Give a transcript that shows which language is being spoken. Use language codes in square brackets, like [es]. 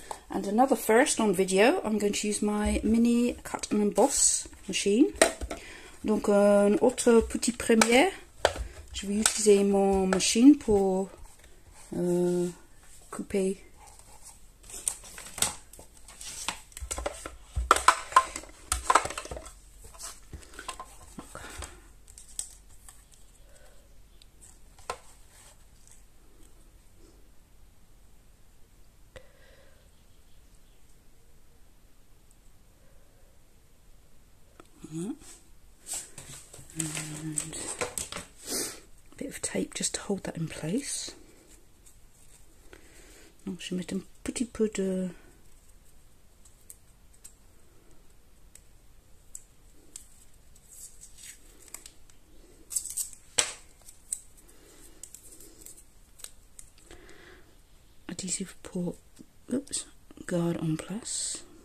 [en] And another first on video, I'm going to use my mini cut and emboss machine. [fr] Donc un autre petit premier, je vais utiliser mon machine pour couper. [en] And a bit of tape just to hold that in place. [fr] Donc je mets un petit peu de adhesive pour garde en place.